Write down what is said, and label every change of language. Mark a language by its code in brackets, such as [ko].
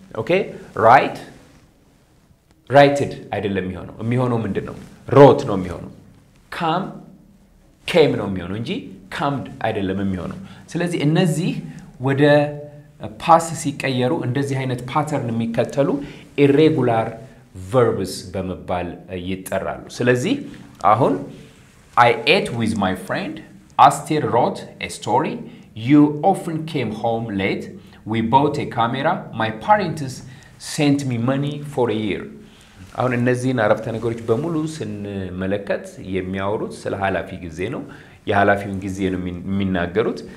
[am] ኦኬ, ራይት ራይትድ አይደለም የሚሆነው የሚሆነው ምንድነው? ሮት ነው የሚሆነው. ካም ኬም ነው የሚሆነው እንጂ ካምድ አይደለም የሚሆነው. ስለዚህ እነዚህ ወደ ፓስት ሲቀየሩ እንደዚህ አይነት ፓተርን የሚከተሉ ኢሬጉላር ቨርብስ በመባል ይጠራሉ. ስለዚህ አሁን [en] I ate with my friend. Astir wrote a story. You often came home late. We bought a camera. My parents sent me money for a year. [am] አሁን እነዚህን አረፍተ ነገሮች በሙሉ ስንመለከት የሚያወሩት ስለ ሐላፊ ጊዜ ነው። የሐላፊውን ጊዜ ነው የሚናገሩት.